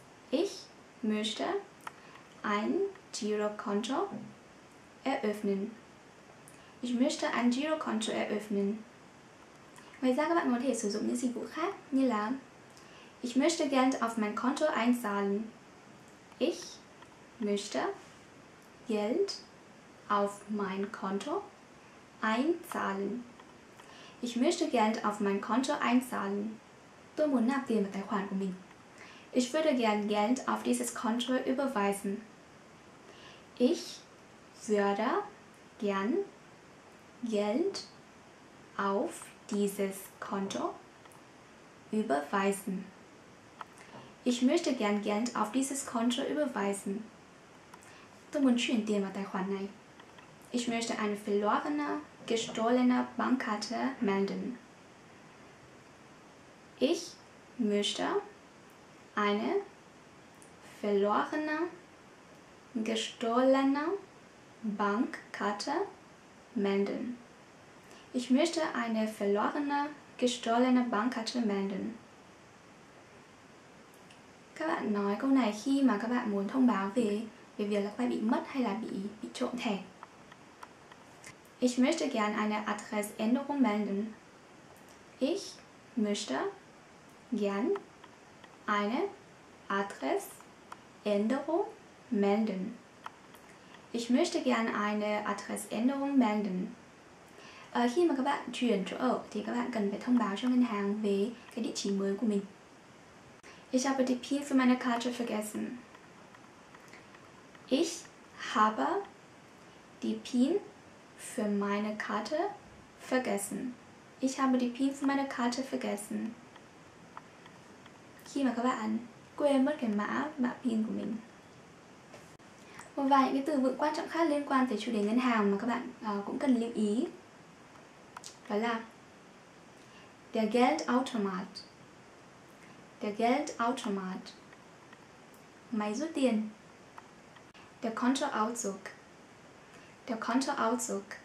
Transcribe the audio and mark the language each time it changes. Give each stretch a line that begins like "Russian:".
German: Ich möchte ein Girokonto eröffnen. Ich möchte ein Girokonto eröffnen.
Vietnamese: Ngoài ra các bạn có thể sử dụng những dịch vụ khác như là
German: Ich möchte Geld auf mein Konto einzahlen. Ich möchte Geld auf mein Konto einzahlen. Ich möchte Geld auf mein Konto einzahlen.
Vietnamese: Tôi muốn nạp tiền vào tài khoản của mình.
German: Ich würde gern Geld auf dieses Konto überweisen. Ich würde gern Geld auf dieses Konto überweisen. Ich möchte gern Geld auf dieses Konto überweisen.
Vietnamese: Tôi muốn chuyển tiền vào tài khoản này.
German: Ich möchte eine verlorene, gestohlene Bankkarte melden. Ich möchte eine verlorene, gestohlene Bankkarte melden. Ich möchte eine verlorene, gestohlene Bankkarte melden.
Vietnamese: Các bạn nói câu này khi mà các bạn muốn thông báo về việc là các bạn bị mất hay là bị trộm thẻ.
German: Ich möchte gern eine Adressänderung melden. Ich möchte gern eine Adressänderung melden. Ich möchte gern eine Adressänderung melden.
Vietnamese: Khi mà các bạn chuyển chỗ ở thì các bạn cần phải thông báo cho ngân hàng về cái địa chỉ mới của mình.
German: Ich habe die PIN für meine Karte vergessen. Ich habe die PIN für meine Karte vergessen. Ich habe die PIN für meine Karte vergessen.
Vietnamese: Khi mà các bạn quên mất cái mã PIN của mình. Một vài những cái từ vựng quan trọng khác liên quan tới chủ đề ngân hàng mà các bạn cũng cần lưu ý. Đó là
German: Der Geldautomat. Der Geldautomat.
Vietnamese: Máy rút tiền.
German: Der Kontoauszug. Der Kontoauszug.